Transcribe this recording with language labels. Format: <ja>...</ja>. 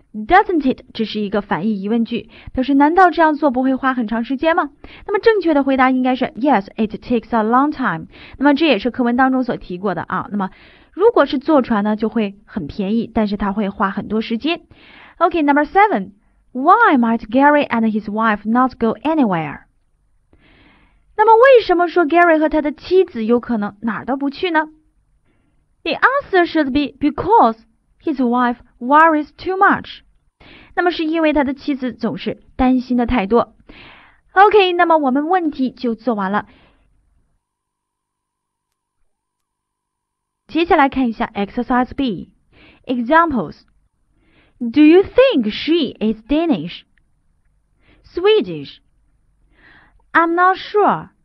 <en>Doesn't it</en> <zh>只是一个反义疑问句，表示难道这样做不会花很长时间吗？那么正确的回答应该是</zh> <en>Yes, it takes a long time.</en> <zh>那么这也是课文当中所提过的啊。那么如果是坐船呢，就会很便宜，但是它会花很多时间。</zh> <en>Okay, number 7. Why might Gary and his wife not go anywhere?</en> <zh>那么为什么说 Gary 和他的妻子有可能哪儿都不去呢？</zh> <en>The answer should be because his wife worries too much.</en> <zh>那么是因为他的妻子总是担心的太多。OK, 那么我们问题就做完了。接下来看一下 Exercise B. Examples.</zh> <en>Do you think she is Danish? Swedish. I'm not sure.</en>